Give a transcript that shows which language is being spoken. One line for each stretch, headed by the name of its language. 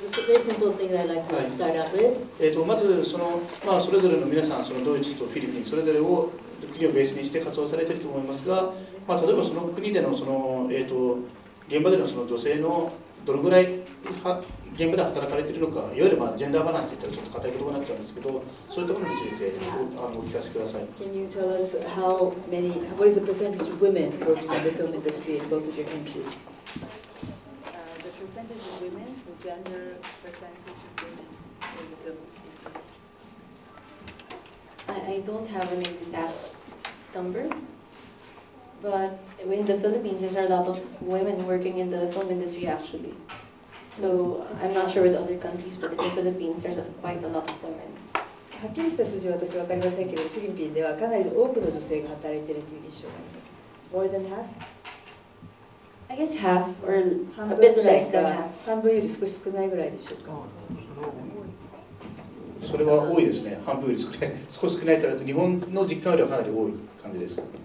Japanese: まずそれぞれの皆さん、そのドイツとフィリピン、それぞれを国をベースにして活動されていると思いますが、例えばその国でのその、現場でのその女性のどのぐらい現場で働かれているのか、いわゆるジェンダーバランスといったらちょっと固い言葉になっちゃうんですけど、そういうところについてお聞かせください。
English: Can you tell us how many, what is the percentage of women working in the film industry in both of your countries? The percentage of women, the gender percentage of women in the film industry. I don't have an exact number, but in the Philippines there are a lot of women working in the film industry actually. So, I'm not sure with other countries, but in the Philippines, there's quite a lot of women.
Japanese: はっきりした数字は私は分かりませんけど、フィリピンではかなり多くの女性が働いているという印象があります。
English: More than half? I guess half, or a bit less than half.
Japanese: 半分より少し少ないぐらいでしょうか。それは多いですね。半分より少ない。少し少ないとなると日本の実感よりはかなり多い感じです。